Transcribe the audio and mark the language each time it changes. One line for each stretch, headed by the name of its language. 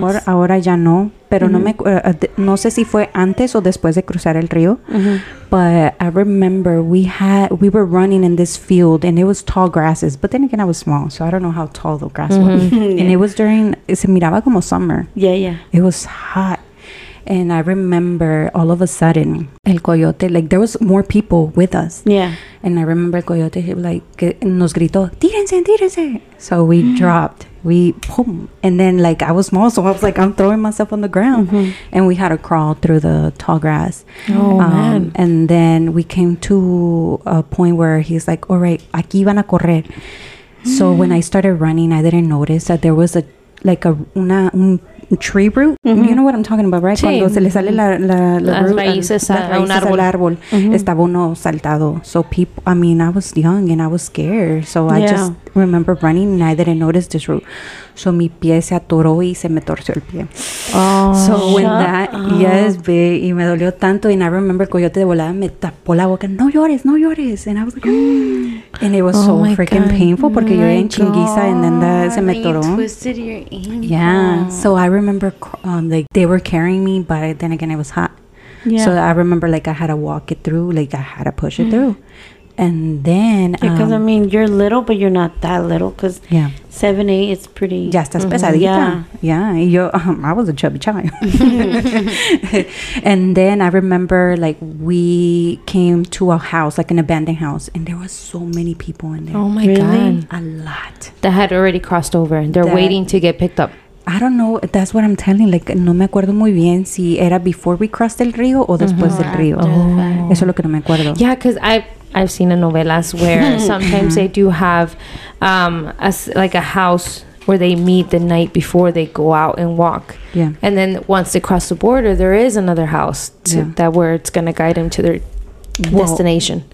Spanish: Mejor ahora ya no, pero no sé si fue antes o después de cruzar el río.
English: But I remember we were running in this field and it was tall grasses, but then again I was small, so I don't know how tall the grass was. And it was during,
Spanish: se miraba como
English: summer. Yeah It was hot. And I remember all of a sudden, el coyote, like, there was more people with us. Yeah. And I remember
Spanish: el coyote, nos gritó, tírense, tírense.
English: So we dropped. We, boom. And then, like, I was small, so I was like, I'm throwing myself on the ground. Mm-hmm. And we had to crawl through the tall grass. Oh, man. And then we came to a point where he's like, all right,
Spanish: aquí van a correr.
English: So when I started running, I didn't notice that there was a tree root. You know what I'm talking about, right?
Spanish: Sí. Cuando se le sale la root, raíces a un árbol. Estaba uno saltado.
English: So people, I was young and I was scared. So I just remember running and I didn't notice this route.
Spanish: So mi pie se atoró y se me torció el pie.
English: Oh, so when that, yes, babe,
Spanish: y me dolió tanto.
English: And I remember
Spanish: Coyote de volada me tapó la boca. No llores, no llores.
English: And I was like, and it was so freaking painful
Spanish: porque yo en chinguiza
English: and then that
Spanish: se me atoró.
English: You twisted your ankle. Yeah. So I remember like they were carrying me, but then again it was hot. Yeah. So I remember like I had to walk it through, like I had to push it through. And then because I mean you're little but you're not that little because 7'8" it's pretty
Spanish: ya estás pesadita.
English: I was a chubby child. And then I remember like we came to a house, like an abandoned house, and there was so many people in there. Oh my god, a lot that had already crossed over and they're waiting to get picked up. I don't know. That's what I'm telling.
Spanish: Like, no me acuerdo muy bien si era
English: before we crossed
Spanish: el río o después del río.
English: Oh.
Spanish: Eso es lo que no me acuerdo.
English: Yeah, because I've seen in novelas where sometimes they do have a house where they meet the night before they go out and walk. Yeah. And then once they cross the border, there is another house that where it's going to guide them to their destination.